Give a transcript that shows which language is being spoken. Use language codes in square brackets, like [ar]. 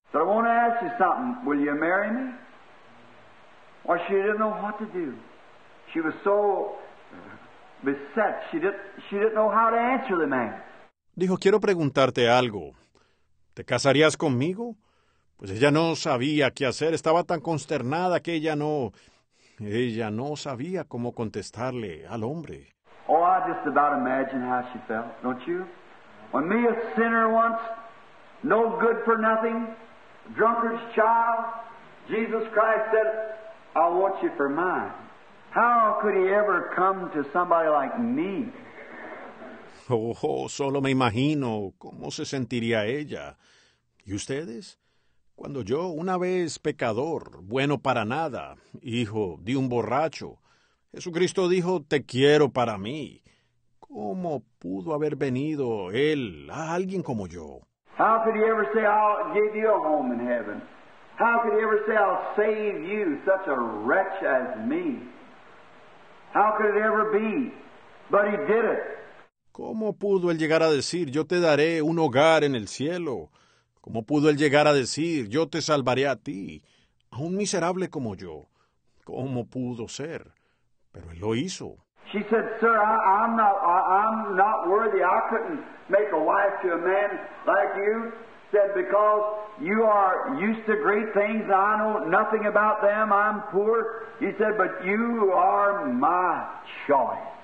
[en] So I want to ask you something. Will you marry me? Well, she didn't know what to do. She was so beset. She didn't know how to answer the man. [es] Dijo, quiero preguntarte algo. ¿Te casarías conmigo? Pues ella no sabía qué hacer. Estaba tan consternada que ella no sabía cómo contestarle al hombre. [en] Oh, I just about imagine how she felt, don't you? When me a sinner once, no good for nothing, drunkard's child, Jesus Christ said, I want you for mine. How could he ever come to somebody like me? [es] Oh, solo me imagino cómo se sentiría ella. ¿Y ustedes? Cuando yo, una vez pecador, bueno para nada, hijo de un borracho, Jesucristo dijo, te quiero para mí. ¿Cómo pudo haber venido él a alguien como yo? [en] How could he ever say, I'll give you a home in heaven? How could he ever say, I'll save you, such a wretch as me? How could it ever be? But he did it. [es] ¿Cómo pudo él llegar a decir, yo te daré un hogar en el cielo? ¿Cómo pudo él llegar a decir, yo te salvaré a ti, a un miserable como yo? ¿Cómo pudo ser? Pero él lo hizo. [en] She said, sir, I'm not worthy. I couldn't make a wife to a man like you. Said, because you are used to great things, and I know nothing about them, I'm poor. He said, but you are my choice.